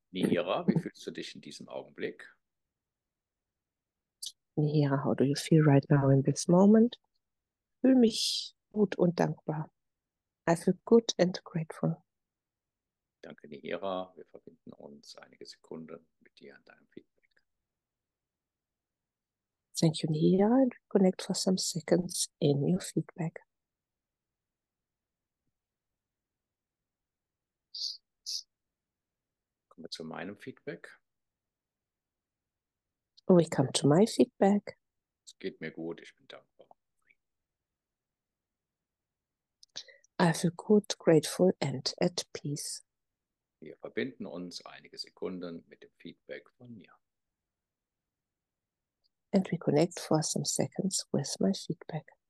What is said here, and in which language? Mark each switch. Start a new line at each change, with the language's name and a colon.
German: Nihira, wie fühlst du dich in diesem Augenblick?
English: Nihira, how do you feel right now in this moment?
German: Fühl mich gut und dankbar.
English: I feel good and grateful.
German: Danke, Nihira. Wir verbinden uns einige Sekunden mit dir an deinem Feedback.
English: Thank you, Nia, and connect for some seconds in your feedback.
German: Kommen wir zu meinem Feedback.
English: We come to my feedback.
German: Es geht mir gut, ich bin dankbar.
English: I feel good, grateful and at peace.
German: Wir verbinden uns einige Sekunden mit dem Feedback von Nia.
English: And we connect for some seconds with my feedback.